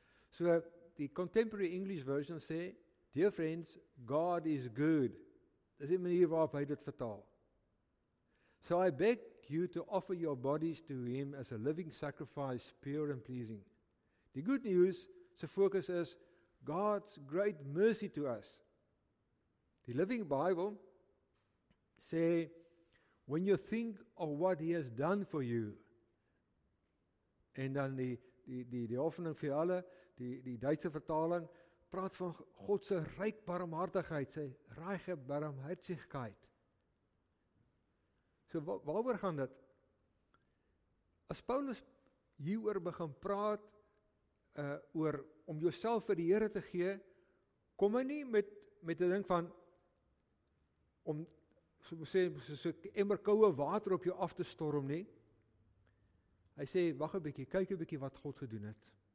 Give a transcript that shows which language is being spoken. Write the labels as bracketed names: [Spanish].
[English] So, die contemporary English version sê, Dear friends, God is good. [Afrikaans] Dit is die manier waarop hy dit vertaal. [English] So I beg you to offer your bodies to Him as a living sacrifice, pure and pleasing. Die good news, sy focus is, God's great mercy to us. The Living Bible say, when you think of what He has done for you, [Afrikaans] en dan die offering vir alle, die Duitse vertaling, praat van Godse ryk barmhartigheid, sy reiche barmhartigheid. So waaroor gaan dit? As Paulus hieroor begin praat, oor om jouself vir die Here te gee, kom hy nie met die ding van, om so emmer koue water op jou af te storm nie. Hy sê, wacht een bykie, kyk een bykie wat God gedoen het.